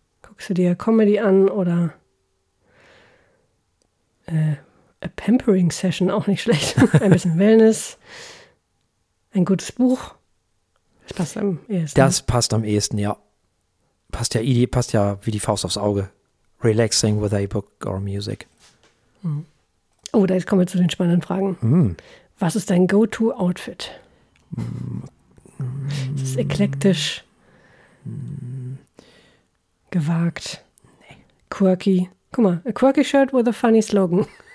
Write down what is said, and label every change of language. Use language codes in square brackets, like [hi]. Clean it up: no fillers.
[de] Guckst du dir Comedy an oder [en] a Pampering Session, [de] auch nicht schlecht. Ein bisschen Wellness. Ein gutes Buch. Das passt am ehesten. Das passt am ehesten, ja. Passt ja wie die Faust aufs Auge. [en] Relaxing with a book or music. [de] Oh, da jetzt kommen wir zu den spannenden Fragen. Mm. Was ist dein Go-To-Outfit? Ist es eklektisch? Gewagt? Nee. [en] Quirky? [de] Guck mal, [en] a quirky shirt with a funny slogan.